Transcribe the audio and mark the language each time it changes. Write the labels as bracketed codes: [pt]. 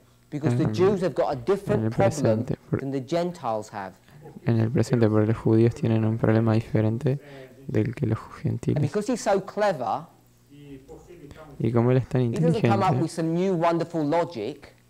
[en] Because the Jews have got a different problem than the Gentiles have. [es] En el presente, porque los judíos tienen un problema diferente del que los gentiles. [en] And because he's so clever, [es] y como él es tan inteligente, [en] he doesn't come up with some new wonderful logic.